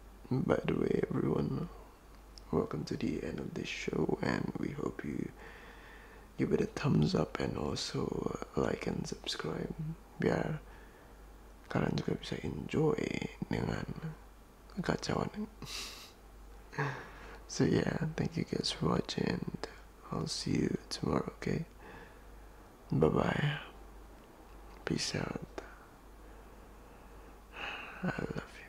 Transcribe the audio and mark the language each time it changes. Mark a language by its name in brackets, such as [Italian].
[English] By the way, everyone, welcome to the end of this show, and we hope you give it a thumbs up and also like and subscribe. [Indonesian] Biar kalian juga bisa enjoy dengan kacauan. [English] So yeah, thank you guys for watching. I'll see you tomorrow, okay? Bye bye. Peace out. I love you.